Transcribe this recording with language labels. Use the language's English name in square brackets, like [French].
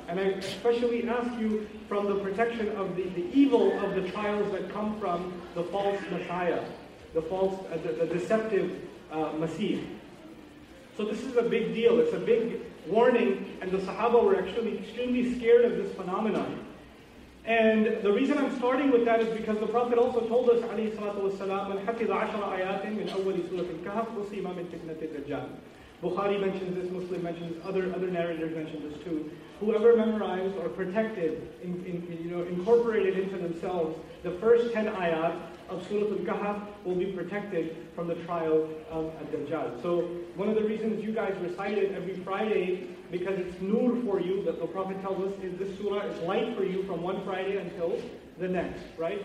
[English] And I especially ask you from the protection of the evil of the trials that come from the false Messiah, the deceptive Masih. So this is a big deal. It's a big warning, and the Sahaba were actually extremely scared of this phenomenon. And the reason I'm starting with that is because the Prophet also told us, [Arabic] عليه الصلاة والسلام, من حفظ عشر آيات من أول سورة الكهف قصيما من فتنة الدجال. [English] Bukhari mentions this, Muslim mentions this, other narrators mention this too. Whoever memorized or protected, incorporated into themselves the first 10 ayat of Surah Al-Kahf will be protected from the trial of Ad-Dajjal. So one of the reasons you guys recite it every Friday, because it's nur for you, that the Prophet tells us is this surah is light for you from one Friday until the next, right?